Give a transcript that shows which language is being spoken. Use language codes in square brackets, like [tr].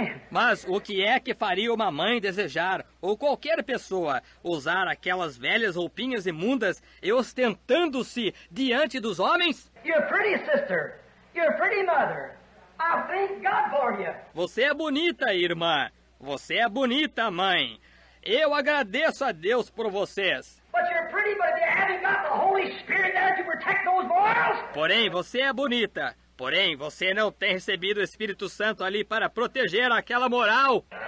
[pt] Mas o que é que faria uma mãe desejar, ou qualquer pessoa, usar aquelas velhas roupinhas imundas e ostentando-se diante dos homens? [en] You're pretty, sister. You're pretty, mother. I thank God for you. [pt] Você é bonita, irmã. Você é bonita, mãe. Eu agradeço a Deus por vocês. [en] But you're pretty, but you haven't got the Holy Spirit there to protect those boys. [pt] Porém, você é bonita. Porém, você não tem recebido o Espírito Santo ali para proteger aquela moral.